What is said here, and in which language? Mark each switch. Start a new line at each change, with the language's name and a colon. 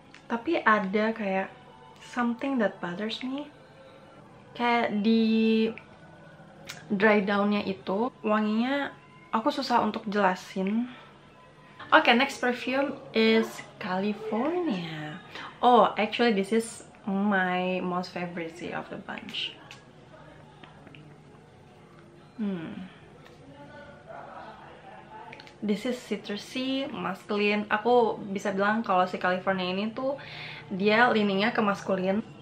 Indonesian: Tapi ada kayak
English: something that bothers me.
Indonesian: Kayak di dry down-nya itu wanginya aku susah untuk jelasin.
English: Oke, okay, next perfume is California. Oh, actually this is my most favorite sih of the bunch. This is citrusy, masculine.
Indonesian: Aku bisa bilang kalau si California ini tuh dia leaning-nya ke masculine.